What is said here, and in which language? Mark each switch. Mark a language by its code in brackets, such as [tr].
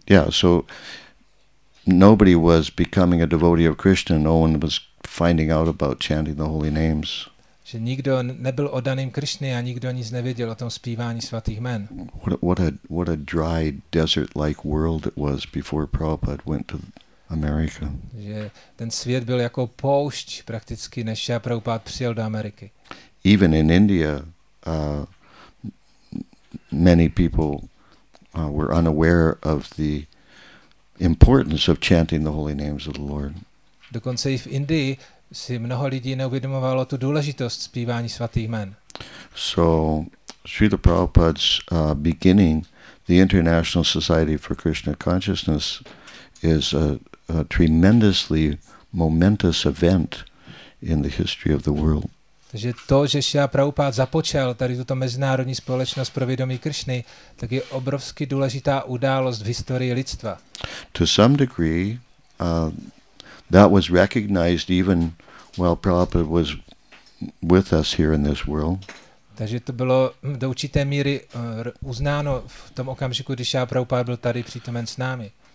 [en] So nobody was becoming a devotee of Krishna, no one was finding out about chanting the holy names. [cs] Že nikdo nebyl oddaným Krishny a nikdo nic nevěděl o tom zpívání svatých jmen. [en] What a dry desert-like world it was before Prabhupada went to America. [cs] Že ten svět byl jako poušť prakticky, než Srila Prabhupada přijel do Ameriky. [en] Even in India, many people were unaware of the importance of chanting the holy names of the Lord. [cs] Dokonce i v Indii si mnoho lidí neuvědomovalo tu důležitost zpívání svatých jmen. [en] So, Srila Prabhupada's beginning, the International Society for Krishna Consciousness, is a tremendously momentous event in the history of the world. [cs] Takže to, že Srila Prabhupada započal tady tuto mezinárodní společnost pro vědomí Krishny, tak je obrovsky důležitá událost v historii lidstva. [en] To some degree, that was recognized even while Prabhupada was with us here in this world. [cs] Takže to bylo do určité míry uznáno v tom okamžiku, když Šáha Prabhupáda byl tady přítomen s námi.